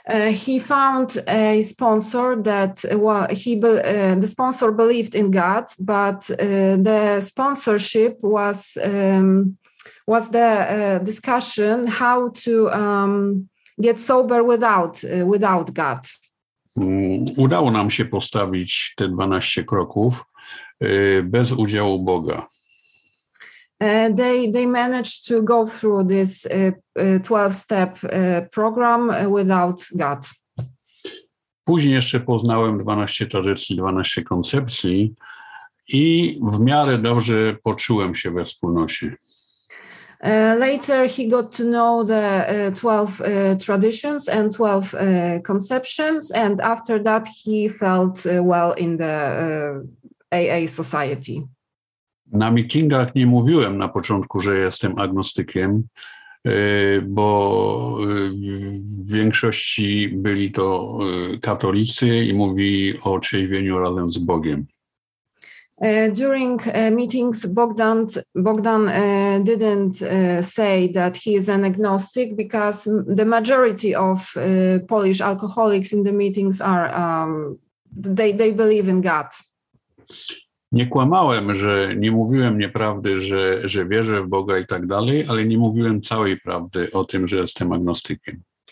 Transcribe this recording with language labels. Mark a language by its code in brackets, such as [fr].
[en] He found a sponsor that the sponsor believed in God, but the sponsorship was the discussion how to get sober without God. [pl] Udało nam się postawić te 12 kroków bez udziału Boga. [en] They managed to go through this 12-step program without God. [pl] Później jeszcze poznałem 12 tradycji, 12 koncepcji i w miarę dobrze poczułem się we wspólnocie. [en] Later he got to know the 12 traditions and 12 conceptions, and after that he felt well in the AA society. [pl] Na meetingach nie mówiłem na początku, że jestem agnostykiem, bo w większości byli to katolicy i mówili o trzeźwieniu razem z Bogiem. [en] During meetings, Bogdan didn't say that he is an agnostic, because the majority of Polish alcoholics in the meetings are they believe in God. [pl] Nie kłamałem, że nie mówiłem nieprawdy, że wierzę w Boga i tak dalej, ale nie mówiłem całej prawdy o tym, że jestem agnostykiem.